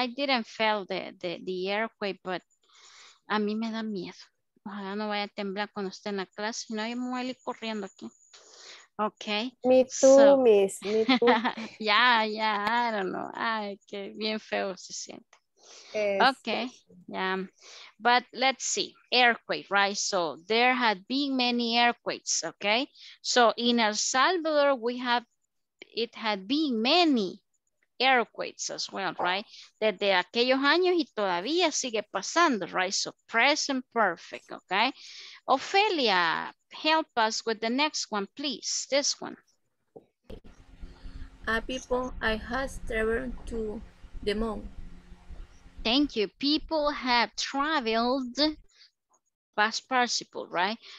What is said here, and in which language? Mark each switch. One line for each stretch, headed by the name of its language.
English: I didn't feel the earthquake, but
Spanish: a mí me da miedo. Ojalá no vaya a temblar cuando esté en la clase, no, yo me voy a ir corriendo aquí.
English: Ok. Me too, so, miss. Me too.
Spanish: Ya, ya,
English: yeah, yeah, I don't know.
Spanish: Ay, qué bien feo se siente.
English: Es, ok, ya. Yeah. But let's see. Earthquake, right? So there had been many earthquakes, ok? So in El Salvador, we have, it had been many earthquakes as well, right?
Spanish: Desde aquellos años y todavía sigue pasando, right?
English: So present perfect, okay? Ophelia, help us with the next one, please. This one. People, I have traveled to the moon. Thank you. People have traveled, past participle, right?